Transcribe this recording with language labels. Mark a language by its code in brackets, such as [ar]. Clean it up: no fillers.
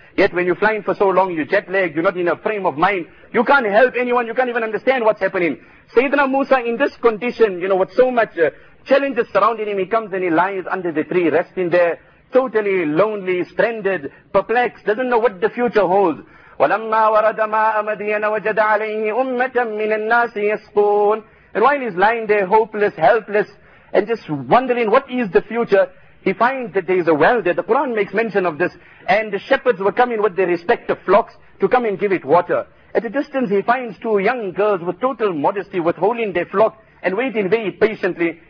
[en] Yet when you're flying for so long, you're jet-lagged, you're not in a frame of mind. You can't help anyone. You can't even understand what's happening. Sayyidina Musa, in this condition, you know, with so much challenges surrounding him, he comes and he lies under the tree, resting there, totally lonely, stranded, perplexed, doesn't know what the future holds. [ar] ولما ورد ماء مدين وجد عليه أمة من الناس يسقون. [en] And while he's lying there hopeless, helpless, and just wondering what is the future, he finds that there is a well there. The Quran makes mention of this. And the shepherds were coming with their respective flocks to come and give it water. At a distance, he finds two young girls with total modesty withholding their flock and waiting very patiently.